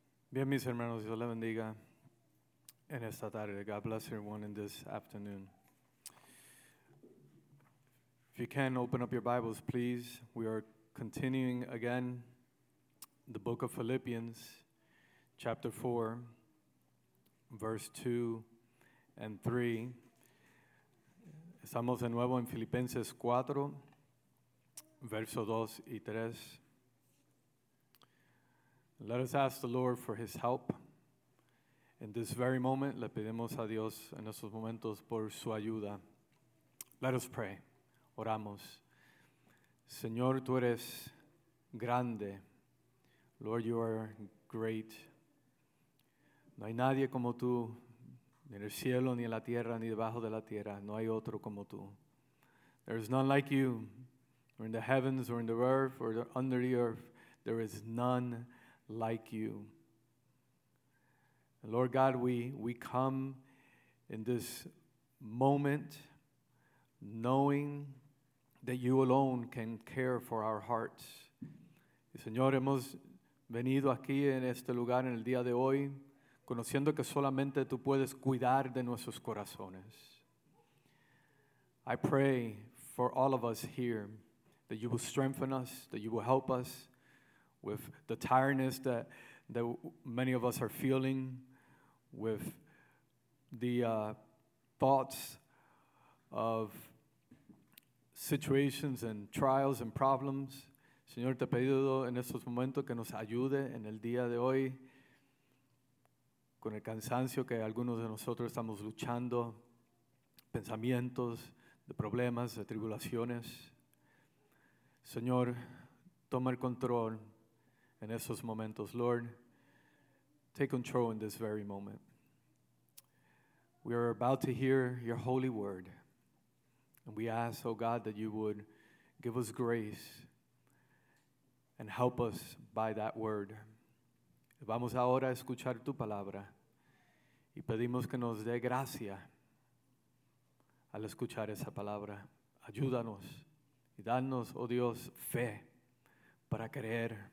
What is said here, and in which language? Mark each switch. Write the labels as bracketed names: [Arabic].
[Spanish] Bien, mis hermanos, Dios les bendiga en esta tarde. [English] God bless everyone in this afternoon. If you can, open up your Bibles, please. We are continuing again the book of Philippians, chapter 4, verse 2 and 3. [Spanish] Estamos de nuevo en Filipenses 4, verso 2 y 3. [English] Let us ask the Lord for his help. In this very moment, [Spanish] le pedimos a Dios en estos momentos por su ayuda. [English] Let us pray. [Spanish] Oramos. Señor, tú eres grande. [English] Lord, you are great. [Spanish] No hay nadie como tú, ni en el cielo, ni en la tierra, ni debajo de la tierra. No hay otro como tú. [English] There is none like you, or in the heavens, or in the earth, or under the earth. There is none like you. And Lord God, we come in this moment knowing that you alone can care for our hearts. [Spanish] Y Señor, hemos venido aquí en este lugar en el día de hoy conociendo que solamente tú puedes cuidar de nuestros corazones. [English] I pray for all of us here that you will strengthen us, that you will help us with the tiredness that many of us are feeling, with the thoughts of situations and trials and problems. [Spanish] Señor, te he pedido en estos momentos que nos ayude en el día de hoy con el cansancio que algunos de nosotros estamos luchando, pensamientos de problemas, de tribulaciones. Señor, toma el control en esos momentos. [English] Lord, take control in this very moment. We are about to hear your holy word. And we ask, oh God, that you would give us grace and help us by that word. [Spanish] Vamos ahora a escuchar tu palabra. Y pedimos que nos dé gracia al escuchar esa palabra. Ayúdanos y danos, oh Dios, fe para creer.